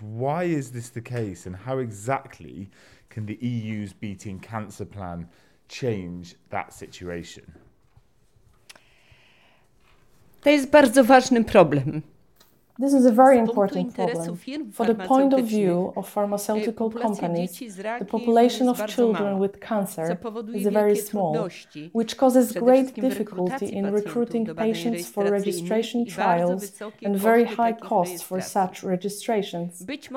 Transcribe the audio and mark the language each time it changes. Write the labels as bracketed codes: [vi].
[en] Why is this the case and how exactly can the EU's Beating Cancer Plan change that situation? [pl] To jest bardzo ważny problem. [en] This is a very important problem. For the point of view of pharmaceutical companies, the population of children with cancer is very small, which causes great difficulty in recruiting patients for registration trials and very high costs for such registrations.